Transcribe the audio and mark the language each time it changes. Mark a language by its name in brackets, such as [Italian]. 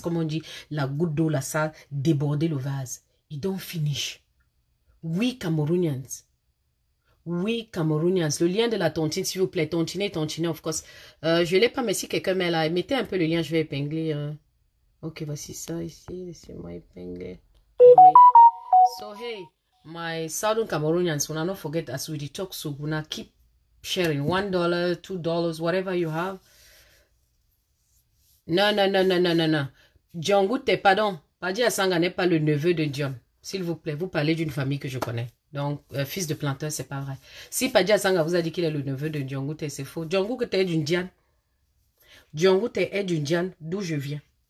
[French] Comme on dit, la goutte d'eau, là, ça a débordé le vase. Il [English] don't finish. [French] Oui, Cameroonians. Oui, Cameroonians. Le lien de la tontine, s'il vous plaît. Tontine, tontine, [English] of course. [French] Je ne l'ai pas, mais si quelqu'un met là, mettez un peu le lien, je vais épingler. Ok, voici ça ici. Laissez-moi épingler. Great. [English] So, hey, my southern Cameroonians, we'll not forget as we talk, so we'll not keep sharing $1, $2, whatever you have. [French] Non, non, non, non, non, non, non. John Goutte, pardon. Paddy Asanga n'est pas le neveu de John. S'il vous plaît, vous parlez d'une famille que je connais. Donc, fils de planteur, c'est pas vrai. Si Paddy Asanga vous a dit qu'il est le neveu de John Goutte, c'est faux. John Goutte est d'une Diane. John Goutte est d'une Diane d'où je viens.